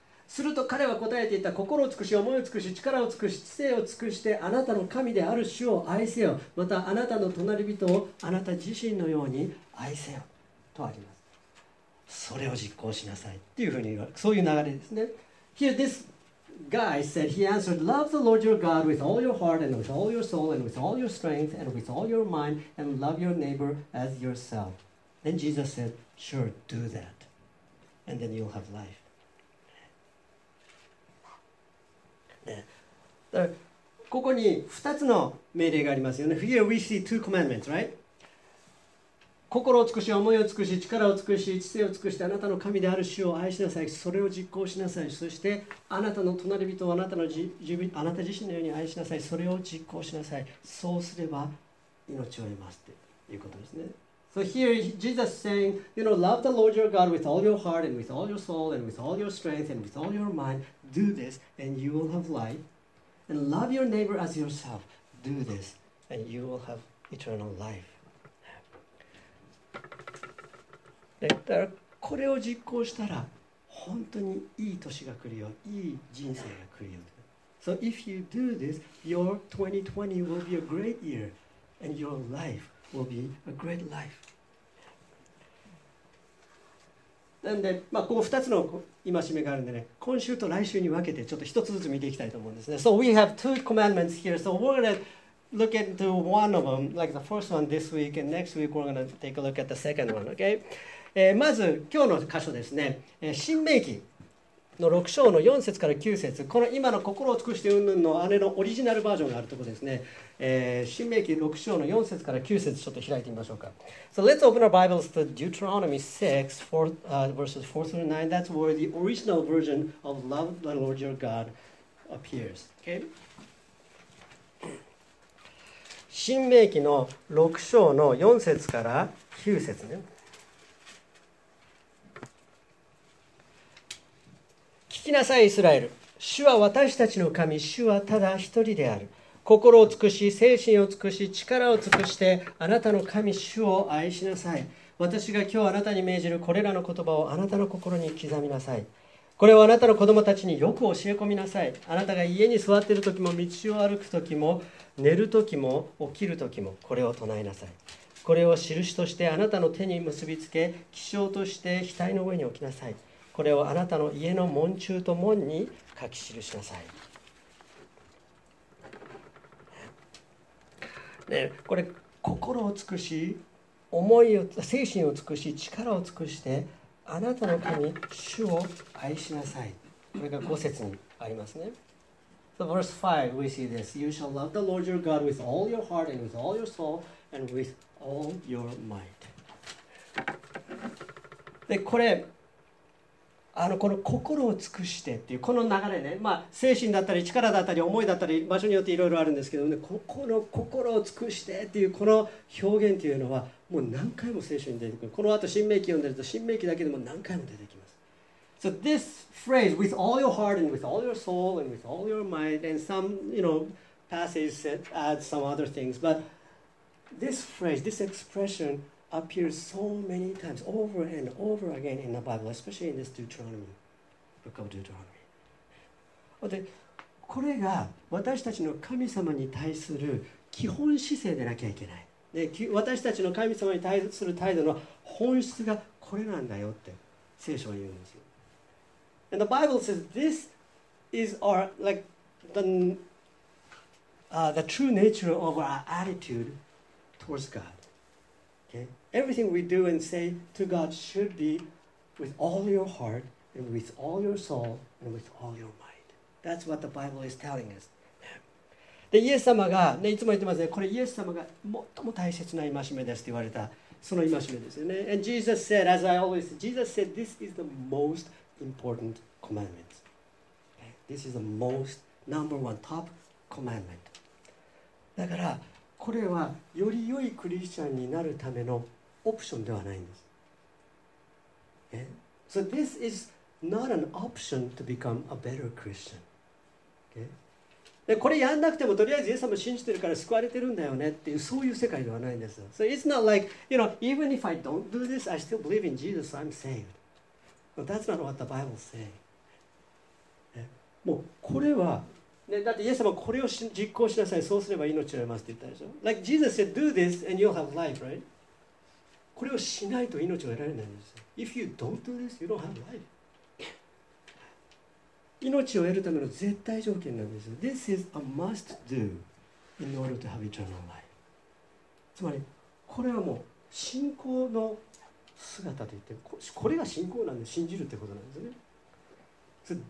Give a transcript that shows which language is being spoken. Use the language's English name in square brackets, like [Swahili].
[Japanese] すると彼は答えていた、心を尽くし、思いを尽くし、力を尽くし、知性を尽くして、あなたの神である主を愛せよ、またあなたの隣人をあなた自身のように愛せよとあります。それを実行しなさいっていうふうに言われる、そういう流れですね。 [English] Here this guy said, he answered, love the Lord your God with all your heart and with all your soul and with all your strength and with all your mind and love your neighbor as yourself. Then Jesus said, sure, do that and then you'll have life.、 [Japanese] ね、だからここに2つの命令がありますよね。 [English] Here we see two commandments, right? [Japanese] 心を尽くし、思いを尽くし、力を尽くし、知性を尽くして、あなたの神である主を愛しなさい、それを実行しなさい、そしてあなたの隣人をあなた自身のように愛しなさい、それを実行しなさい、そうすれば命を得ますということですね。 [English] So here Jesus saying, you know, love the Lord your God with all your heart and with all your soul and with all your strength and with all your mind. Do this and you will have life. And love your neighbor as yourself. Do this and you will have eternal life. [Japanese] だからこれを実行したら本当にいい年が来るよ、いい人生が来るよ。 [English] So if you do this, your 2020 will be a great year and your life will be a great life. [Japanese] なんで、まあ、ここ2つの戒めがあるんでね、今週と来週に分けてちょっと1つずつ見ていきたいと思うんですね。 [English] So we have two commandments here, so we're going toLook into one of them, like the first one this week, and next week we're going to take a look at the second one, okay? [Japanese] まず今日の箇所ですね、申命記の6章の4節から9節、この今の心を尽くして云々の姉のオリジナルバージョンがあるところですね、申命記6章の4節から9節ちょっと開いてみましょうか。 [English] So let's open our Bibles to Deuteronomy 6, 4, verses 4 through 9. That's where the original version of Love the Lord Your God appears, okay? [Japanese] 申命記の6章の4節から9節ね。聞きなさいイスラエル、主は私たちの神、主はただ一人である。心を尽くし、精神を尽くし、力を尽くして、あなたの神主を愛しなさい。私が今日あなたに命じるこれらの言葉をあなたの心に刻みなさい。これをあなたの子供たちによく教え込みなさい。あなたが家に座っている時も、道を歩く時も、寝る時も、起きる時も、これを唱えなさい。これを印としてあなたの手に結びつけ、記章として額の上に置きなさい。これをあなたの家の門中と門に書き記しなさい。ね、これ心を尽くし、思いを、精神を尽くし、力を尽くして、あなたの神主を愛しなさい。これが5節にありますね。 [English] So verse 5, we see this. You shall love the Lord your God with all your heart and with all your soul and with all your might. [Japanese] で、これこの心を尽くしてっていうこの流れね、まあ、精神だったり力だったり思いだったり場所によっていろいろあるんですけどね、ここの心を尽くしてっていうこの表現っていうのはもう何回も聖書に出てくる。この後申命記読んでると申命記だけでも何回も出てきます。 [English] So this phrase, with all your heart and with all your soul and with all your mind, and some, you know, passages that add some other things, but this phrase, this expressionappears so many times over and over again in the Bible, especially in this Deuteronomy, book of Deuteronomy. [Japanese] で、これが私たちの神様に対する基本姿勢でなきゃいけない。で、私たちの神様に対する態度の本質がこれなんだよって聖書は言うんですよ。 [English] And the Bible says this is our, like, the true nature of our attitude towards God. Okay. Everything we do and say to God should be with all your heart and with all your soul and with all your mind. That's what the Bible is telling us. [Japanese] で、イエス様が、ね、いつも言ってますね。これイエス様が最も大切な戒めですって言われた、その戒めですよね。 [English] And Jesus said, as I always say, Jesus said, this is the most important commandment. This is the most number one, top commandment. [Japanese] だから、これはより良いクリスチャンになるためのオプションではないんです。 [English] Okay? So this is not an option to become a better Christian. Okay? [Japanese] でこれやんなくてもとりあえずイエス様信じてるから救われてるんだよねっていうそういう世界ではないんです。 [English] So it's not like, you know, even if I don't do this, I still believe in Jesus, I'm saved. But that's not what the Bible says. [Japanese] もうこれは、ね、だってイエス様これを実行しなさい、そうすれば命を得ますって言ったでしょ。 [English] Like Jesus said, do this and you'll have life, right? [Japanese] これをしないと命を得られないんです。 [English] If you don't do this, you don't have life. [Japanese] 命を得るための絶対条件なんですよ。 [English] This is a must do in order to have eternal life. [Japanese] つまり、これはもう信仰の姿といって、これが信仰なんで信じるってことなんですね。